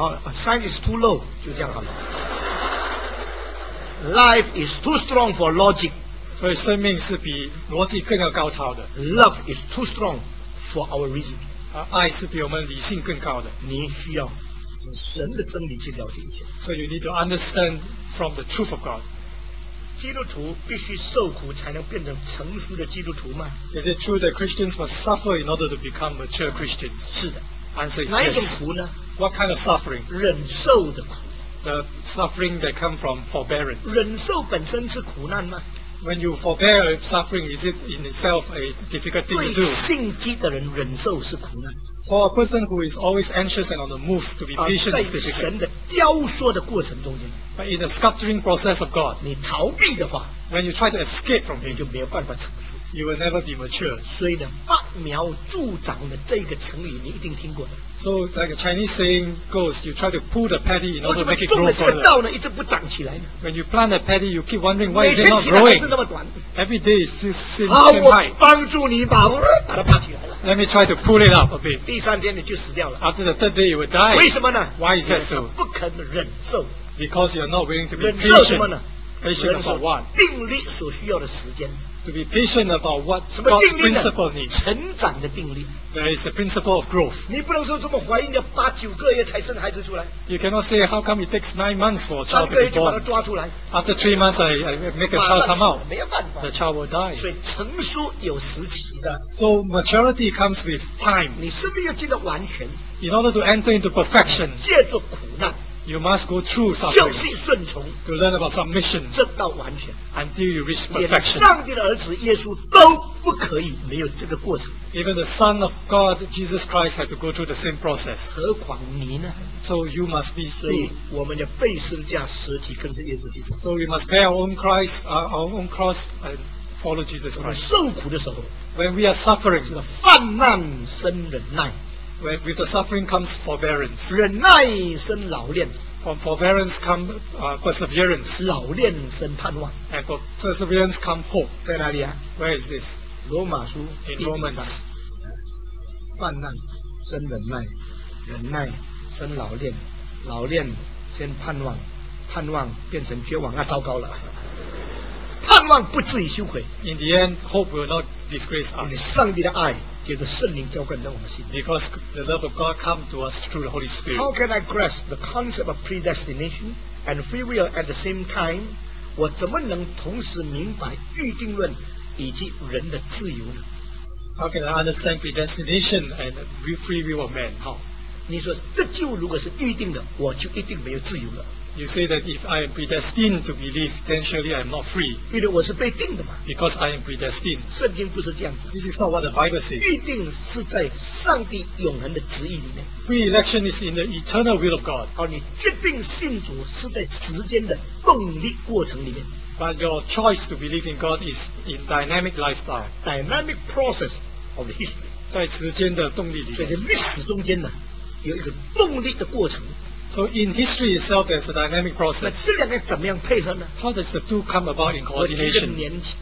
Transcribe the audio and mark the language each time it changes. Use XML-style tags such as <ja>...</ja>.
<en>Science is too low.</en> <zh>就这样好了。</zh> <en>Life is too strong for logic.</en> <zh>所以生命是比逻辑更要高超的。</zh> <en>Love is too strong for our reason.</en> <zh>爱是比我们理性更高的。你需要 神的真理去了解一下。</zh> <en>So you need to understand from the truth of God.</en> <zh>基督徒必须受苦才能变成成熟的基督徒吗？</zh> <en>Is it true that Christians must suffer in order to become mature Christians?</en> <zh>是的。</zh> <en>Answer is</en> <zh>哪一种苦呢？</zh> <en>What kind of suffering?</en> <zh>忍受的苦。</zh> <en>The suffering that come from forbearance.</en> <zh>忍受本身是苦难吗？</zh> <en>When you forbear suffering, is it in itself a difficult thing to do?</en> <zh>对信基的人忍受是苦难。</zh> <en>For a person who is always anxious and on the move, to be patient is difficult.</en> <zh>在神的雕塑的过程中间,</zh> <en>but in the sculpturing process of God,</en> <zh>你逃避的话,</zh> <en>when you try to escape from him,</en> <zh>你就没有办法成熟,</zh> <en>you will never be mature.</en> <zh>所以呢, 拔苗助长的这个成语, 你一定听过的。</zh> <en>So like a Chinese saying goes, you try to pull the paddy in order to make it grow further.</en> <zh>一直不长起来呢?</zh> <en>When you plant a paddy, you keep wondering why is it not growing.</en> <zh>每天起来还是那么短,</zh> <en>every day it seems the same height.</en> <zh>帮助你把它拔起来。</zh> <en>Let me try to pull it up a bit.</en> <zh>第三天你就死掉了。</zh> <en>After the third day you will die.</en> <zh>为什么呢?</zh> <en>Why is that so?</en> <zh>不肯忍受。</zh> <en>Because you are not willing to be patient.</en> <zh>忍受什么呢?</zh> <en>Patient about what?</en> <zh>定力所需要的时间。</zh> <en>To be patient about what God's principle needs.</en> <zh>成长的定力。</zh> <en>There is the principle of growth.</en> <zh>你不能说这么怀孕要八九个月才生孩子出来。</zh> <en>You cannot say how come it takes 9 months for a child to be born.</en> <zh>三个月就把他抓出来。</zh> <en>After 3 months I make a child come out.</en> <zh>没有办法。</zh> <en>The child will die.</en> <zh>所以成熟有时期的。</zh> <en>So maturity comes with time.</en> <zh>你生命要进到完全。</zh> <en>In order to enter into perfection.</en> <zh>借着苦难。</zh> <en>You must go through suffering.</en> <zh>就是顺从,</zh> <en>to learn about submission.</en> <zh>直到完全,</zh> <en>until you reach perfection.</en> <zh>连上帝的儿子耶稣都不可以没有这个过程。</zh> <en>Even the Son of God, Jesus Christ, had to go through the same process.</en> <zh>何况你呢?</zh> <en>So you must be through. So we must bear our own cross and follow Jesus Christ.</en> <zh>我们受苦的时候,</zh> <en>when we are suffering,</en> <zh>泛滥生忍耐,</zh> <en>when with the suffering comes forbearance.</en> <zh>忍耐生老练,</zh> <en>from forbearance comes perseverance.</en> <zh>老练生盼望,</zh> <en>and for perseverance comes hope.</en> <zh>在哪里啊?</zh> <en>Where is this?</en> <zh>罗马书,</zh> <en>in Romans.</en> <zh>患难生忍耐，忍耐生老练，老练先盼望，盼望变成绝望，那糟糕了。盼望不至于羞愧。</zh> <en>In the end, hope will not disgrace us.</en> <zh>上帝的爱借着圣灵浇灌在我们心里。</zh> <en>Because the love of God comes to us through the Holy Spirit. How can I grasp the concept of predestination and free will at the same time?</en> <zh>我怎么能同时明白预定论以及人的自由呢？</zh> <en>How can I understand predestination and free will of man?</en> <zh>你说这就如果是预定的，我就一定没有自由了。</zh> <en>You say that if I am predestined to believe, then surely I am not free.</en> <zh>因为我是被定的嘛。</zh> <en>Because I am predestined.</en> <zh>圣经不是这样子。</zh> <en>This is not what the Bible says.</en> <zh>预定是在上帝永恒的旨意里面。</zh> <en>Pre-election is in the eternal will of God.</en> <zh>你决定信主是在时间的动力过程里面。</zh> <en>But your choice to believe in God is in dynamic lifestyle. Dynamic process of the history.</en> <zh>在时间的动力里面。所以在历史中间呢，有一个动力的过程。</zh> <en>So in history itself, there's a dynamic process.</en> <zh>那这两个怎么样配合呢？</zh> <en>How does the two come about in coordination?</en>